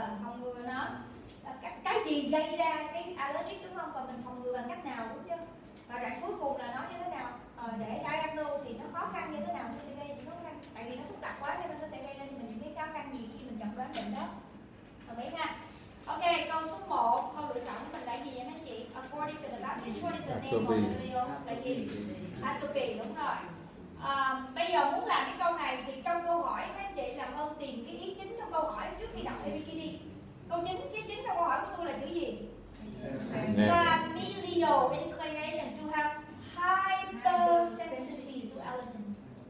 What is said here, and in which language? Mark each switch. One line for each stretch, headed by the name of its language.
Vietnamese: Phòng ngừa nó cái gì gây ra cái allergic đúng không? Và mình phòng ngừa bằng cách nào đúng chứ? Và đoạn cuối cùng là nói như thế nào? Để diagnose thì nó khó khăn như thế nào? Nó sẽ gây những khó khăn. Tại vì nó phức tạp quá nên nó sẽ gây ra cho mình những cái khó khăn gì khi mình chẩn đoán bệnh đó. Đồng ý ha? Ok, câu số 1, thôi lựa chọn mình là gì anh chị?
English: According to the last speech, what is the name of the video?
Vietnamese: Là gì? Atopy, đúng rồi. Bây giờ muốn làm cái câu này thì trong câu hỏi anh chị làm ơn tìm cái ý chính trong câu hỏi trước khi đọc ABCD. Câu chính, cái chính trong câu hỏi của tôi là chữ gì?
English: Familial inclination to have hypersensitivity to allergens.